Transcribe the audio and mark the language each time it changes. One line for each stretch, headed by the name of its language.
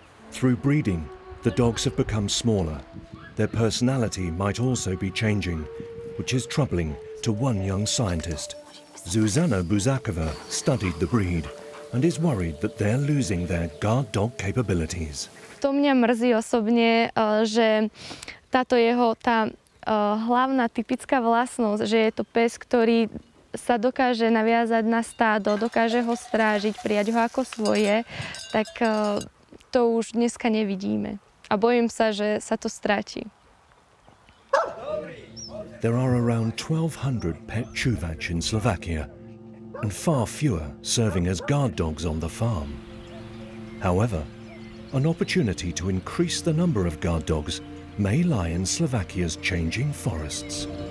English: Through breeding, the dogs have become smaller. Their personality might also be changing, which is troubling to one young scientist. Zuzana Buzakova studied the breed and is worried that they're losing their guard dog capabilities.
Slovak: To mňa mrzí osobne, že táto jeho, tá hlavná typická vlastnosť, že je to pes, ktorý sa dokáže naviazať na stádo, dokáže ho strážiť, prijať ho ako svoje, tak to už dneska nevidíme. A bojím sa, že sa to stratí.
English: There are around 1200 pet čuvač in Slovakia and far fewer serving as guard dogs on the farm. However, an opportunity to increase the number of guard dogs may lie in Slovakia's changing forests.